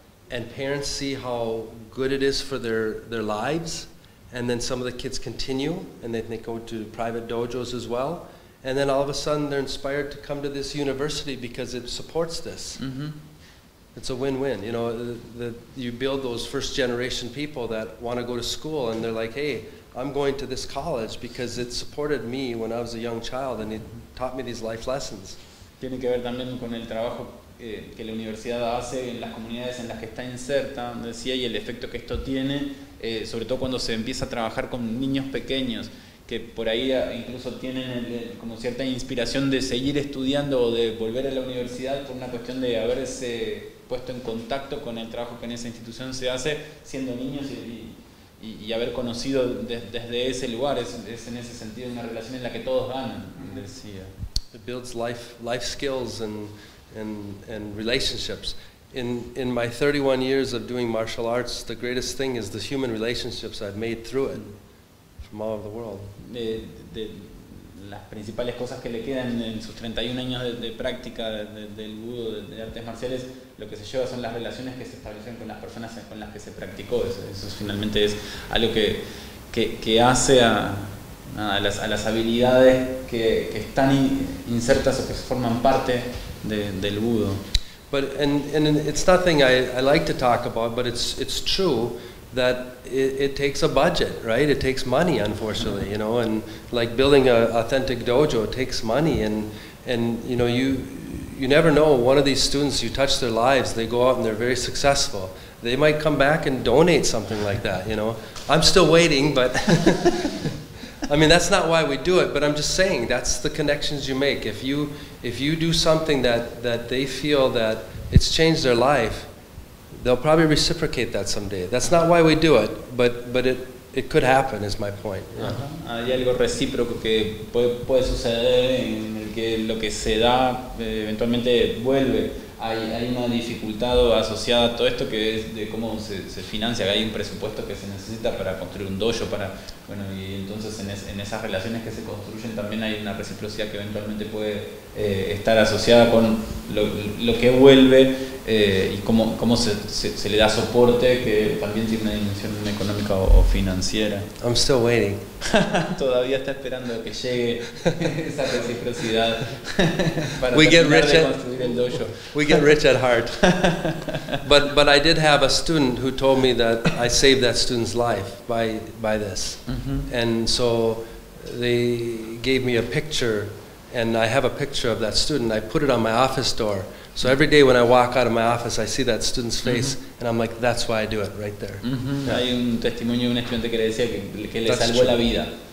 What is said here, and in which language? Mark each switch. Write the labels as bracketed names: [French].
[English] And parents see how good it is for their lives, and then some of the kids continue, and then they go to private dojos as well, and then all of a sudden they're inspired to come to this university because it supports this. Mm-hmm. It's a win-win, you know. You build those first-generation people that want to go to school, and they're like, "Hey, I'm going to this college because it supported me when I was a young child, and it taught me these life lessons." [Spanish] Tiene que ver también con el trabajo que la universidad hace en las comunidades en las que está inserta, decía, y el efecto que esto tiene, sobre todo cuando se empieza a trabajar con niños pequeños, que por ahí incluso tienen como cierta inspiración de seguir estudiando o de volver a la universidad por una cuestión de haberse puesto en contacto con el trabajo que en esa institución se hace siendo niños y haber conocido desde ese lugar. Es en ese sentido una relación en la que todos ganan, decía. [English] It builds life skills and relationships. In my 31 years of doing martial arts, the greatest thing is the human relationships I've made through it from all over the world. [Spanish] De las principales cosas que le quedan en sus 31 años de práctica del Budo, de artes marciales, lo que se lleva son las relaciones que se establecen con las personas con las que se practicó. Eso finalmente es algo que hace a las habilidades que están insertas o que forman parte del Budo. [English] But and it's nothing I like to talk about, but it's true that it takes a budget, right? It takes money, unfortunately, you know. And like building an authentic dojo, it takes money, and you know, you never know. One of these students, you touch their lives, they go out and they're very successful. They might come back and donate something like that, you know. I'm still waiting, but I mean, that's not why we do it, but I'm just saying, that's the connections you make. If you do something that they feel that it's changed their life, they'll probably reciprocate that someday. That's not why we do it, but it could happen, is my point. Uh-huh. [Spanish] Hay algo recíproco que puede suceder, en el que lo que se da eventualmente vuelve. Hay una dificultad asociada a todo esto, que es de cómo se financia, que hay un presupuesto que se necesita para construir un dojo, para, bueno, y entonces en esas relaciones que se construyen también hay una reciprocidad que eventualmente puede estar asociada con lo que vuelve y cómo se le da soporte, que también tiene una dimensión económica o financiera. [English] I'm still waiting. [Spanish] Todavía está esperando que llegue esa reciprocidad para terminar de construir el dojo. [English] We get rich at heart. But I did have a student who told me that I saved that student's life by this. Mm-hmm. And so they gave me a picture, and I have a picture of that student. I put it on my office door. So every day when I walk out of my office, I see that student's face, mm-hmm. and I'm like, that's why I do it, right there. [Spanish] Mm-hmm. Yeah. Hay un testimonio de un estudiante que le decía que le salvó la vida.